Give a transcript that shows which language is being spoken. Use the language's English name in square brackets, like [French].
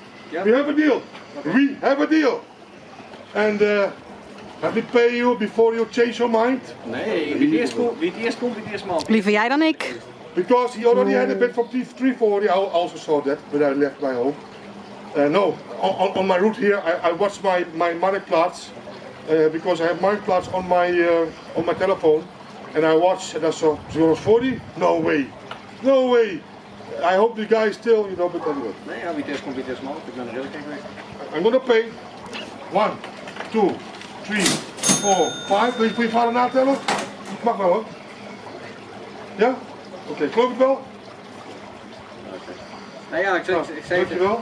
[English] We have a deal. And let me pay you before you change your mind. [Dutch] Nee, wie het eerst komt, wie het eerst maakt. Liever jij dan ik. [English] Because he already had a bit from 340. I also saw that, but I left my home. No, on my route here, I watch my marktplaats, because I have marktplaats on my telephone, and I watch. And I saw 240. No way, no way. I hope the guy is still, you know, but anyway. [Dutch] Nee, ja, wie test komt wie test maakt. Ik ben er heel kijk [English] mee. I'm gonna pay. 1, 2, 3, 4, 5. [Dutch] Wil je voor je vader natellen? Mag wel, hoor. Ja? Oké, okay, geloof ik wel. Nou ja, ik zei het.